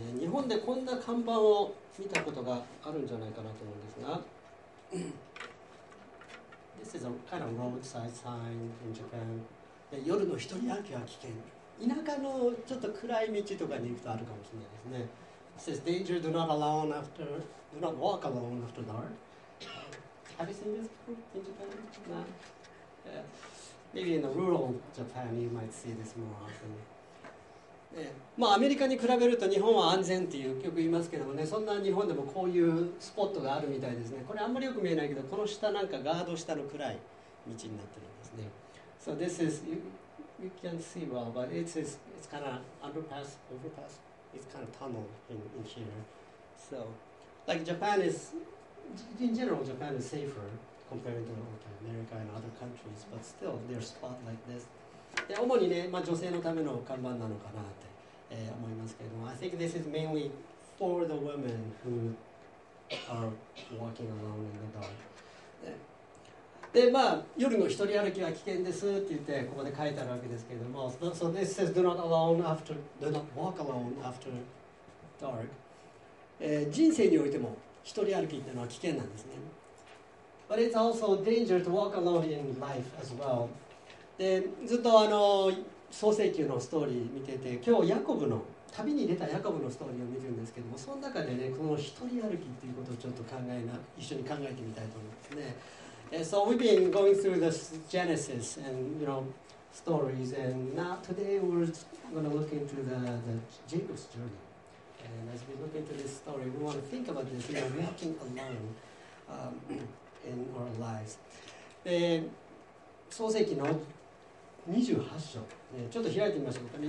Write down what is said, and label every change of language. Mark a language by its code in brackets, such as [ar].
[ja] 本でこんな看板を見たことがあるんじゃないかなと思うんですが。 [en] This is a kind of roadside sign in Japan. [ja] 夜の一人歩きは危険。田舎のちょっと暗い道とかに行くとあるかもしれないですね。 [en] It says, Danger, do not alone after, do not walk alone after dark. Have you seen this before in Japan? No. Maybe in the rural Japan, you might see this more often. [ja] まあ、アメリカに比べると日本は安全っていうよく言いますけどもね、そんな日本でもこういうスポットがあるみたいですね。これあんまりよく見えないけど、この下なんかガード下の暗い道になってるんですね。 [en] So this is, you can see well, but it's kind of underpass, overpass. It's kind of tunnel in here. So, like Japan is, in general, Japan is safer compared to America and other countries, but still, there's a spot like this. [ja] で、主にね、まあ、女性のための看板なのかなって、思いますけども、 [en] I think this is mainly for the women who are walking alone in the dark. [ja] で、まあ、夜の一人歩きは危険ですって言ってここで書いてあるわけですけれども、 [en] So this says do not alone after, do not walk alone after dark. [ja] 人生においても一人歩きっていうのは危険なんですね。 [en] But it's also a danger to walk alone in life as well. [ja] で、ずっとあの創世記のストーリー見てて、今日ヤコブの旅に出たヤコブのストーリーを見てるんですけども、その中でね、この一人歩きっていうことをちょっと考えな、一緒に考えてみたいと思うんですね。 [en] So we've been going through the Genesis and, you know, stories, and now today we're going to look into the Jacob's journey. And as we look into this story, we want to think about this, you know, walking alone in our lives. [ja] で、創世記の28章、ね、ちょっと開いてみましょうかね。